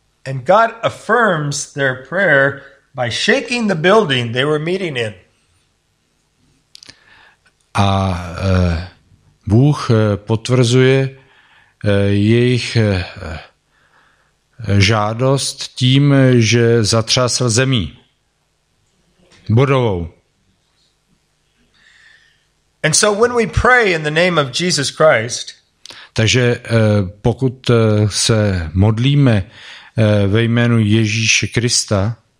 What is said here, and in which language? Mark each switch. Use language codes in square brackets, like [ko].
[en] And God affirms their prayer by shaking the building they were meeting in. [cs] A Bůh potvrzuje jejich žádost tím, že zatřásl zemí budovou. [en] And so when we pray in the name of Jesus Christ, [cs] takže pokud se modlíme ve jménu Ježíše Krista,